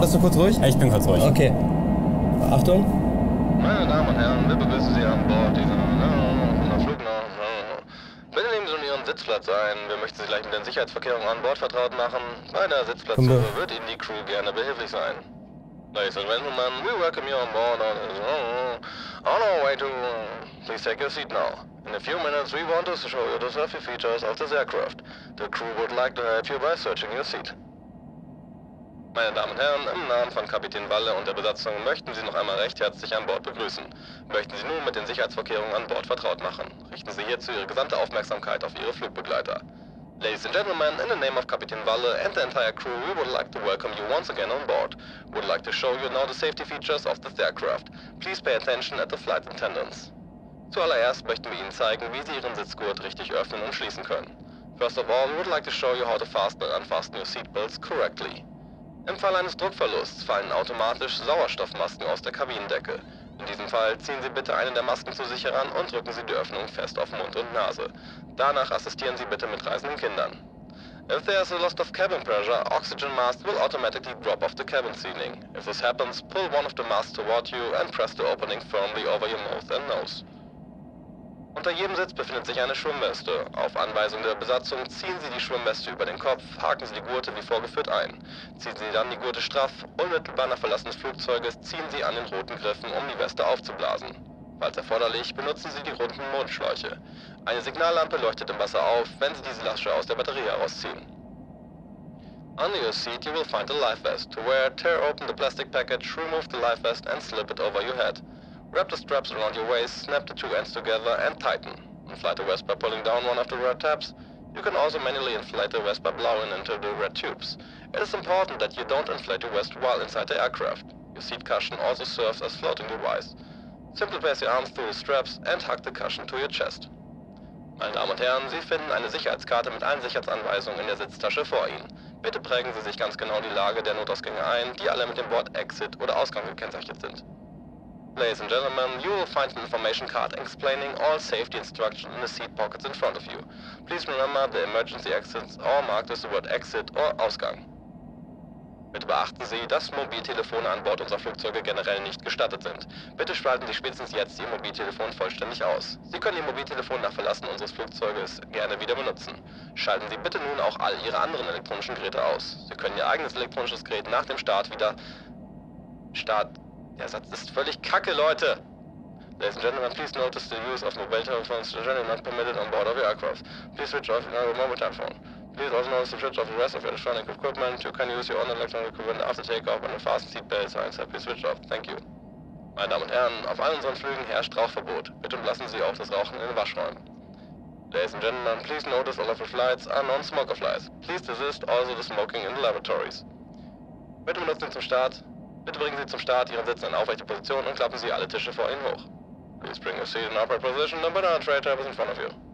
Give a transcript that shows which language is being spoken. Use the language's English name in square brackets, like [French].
[German] Bist du kurz ruhig? Ich bin kurz ruhig. Okay. Achtung. Meine Damen und Herren, wir begrüßen Sie an Bord dieser Flugnacht. Bitte nehmen Sie Ihren Sitzplatz ein. Wir möchten Sie gleich mit den Sicherheitsverkehrungen an Bord vertraut machen. Bei der Sitzplatzsuche wird Ihnen die Crew gerne behilflich sein. [English] Ladies and gentlemen, we welcome you on board on our way to... Please take your seat now. In a few minutes, we want to show you the safety features of this aircraft. The crew would like to help you by searching your seat. [German] Meine Damen und Herren, im Namen von Kapitän Walle und der Besatzung möchten Sie noch einmal recht herzlich an Bord begrüßen. Möchten Sie nun mit den Sicherheitsvorkehrungen an Bord vertraut machen. Richten Sie hierzu Ihre gesamte Aufmerksamkeit auf Ihre Flugbegleiter. [English] Ladies and Gentlemen, in the name of Kapitän Walle and the entire crew, we would like to welcome you once again on board. We would like to show you now the safety features of this aircraft. Please pay attention at the flight attendants. [German] Zuallererst möchten wir Ihnen zeigen, wie Sie Ihren Sitzgurt richtig öffnen und schließen können. [English] First of all, we would like to show you how to fasten and unfasten your seatbelts correctly. [German] Im Fall eines Druckverlusts fallen automatisch Sauerstoffmasken aus der Kabinendecke. In diesem Fall ziehen Sie bitte eine der Masken zu sich heran und drücken Sie die Öffnung fest auf Mund und Nase. Danach assistieren Sie bitte mit reisenden Kindern. [English] If there is a loss of cabin pressure, oxygen mask will automatically drop off the cabin ceiling. If this happens, pull one of the masks toward you and press the opening firmly over your mouth and nose. [German] Unter jedem Sitz befindet sich eine Schwimmweste. Auf Anweisung der Besatzung ziehen Sie die Schwimmweste über den Kopf, haken Sie die Gurte wie vorgeführt ein. Ziehen Sie dann die Gurte straff, unmittelbar nach Verlassen des Flugzeuges ziehen Sie an den roten Griffen, um die Weste aufzublasen. Falls erforderlich, benutzen Sie die runden Mundschläuche. Eine Signallampe leuchtet im Wasser auf, wenn Sie diese Lasche aus der Batterie herausziehen. [English] Under your seat, you will find a life vest. To wear, tear open the plastic package, remove the life vest and slip it over your head. Wrap the straps around your waist, snap the two ends together and tighten. Inflate the vest by pulling down one of the red tabs. You can also manually inflate the vest by blowing into the red tubes. It is important that you don't inflate your vest while inside the aircraft. Your seat cushion also serves as floating device. Simply place your arms through the straps and hug the cushion to your chest. [German] Meine Damen und Herren, Sie finden eine Sicherheitskarte mit allen Sicherheitsanweisungen in der Sitztasche vor Ihnen. Bitte prägen Sie sich ganz genau die Lage der Notausgänge ein, die alle mit dem Wort Exit oder Ausgang gekennzeichnet sind. [English] Ladies and gentlemen, you will find an information card explaining all safety instructions in the seat pockets in front of you. Please remember the emergency exits are marked as the word Exit or Ausgang. [German] Bitte beachten Sie, dass Mobiltelefone an Bord unserer Flugzeuge generell nicht gestattet sind. Bitte schalten Sie spätestens jetzt Ihr Mobiltelefon vollständig aus. Sie können Ihr Mobiltelefon nach Verlassen unseres Flugzeuges gerne wieder benutzen. Schalten Sie bitte nun auch all Ihre anderen elektronischen Geräte aus. Sie können Ihr eigenes elektronisches Gerät nach dem Start wieder... Start... Der Satz ist völlig kacke, Leute! [English] Ladies and gentlemen, please notice the use of mobile telephones generally not permitted on board of your aircraft. Please switch off your mobile telephone. Please also notice the switch off the rest of your electronic equipment. You can use your own electronic equipment after takeoff and the fasten seatbelt signs have been switched off. Thank you. [German] Meine Damen und Herren, auf allen unseren Flügen herrscht Rauchverbot. Bitte unterlassen Sie auch das Rauchen in den Waschräumen. [English] Ladies and gentlemen, please notice all of your flights are non-smoker flights. Please desist also the smoking in the laboratories. [German] Bitte benutzen Sie zum Start. Bitte bringen Sie zum Start Ihren Sitz in aufrechte Position und klappen Sie alle Tische vor Ihnen hoch. [English] Please bring your seat in upright position and banana tray tables in front of you.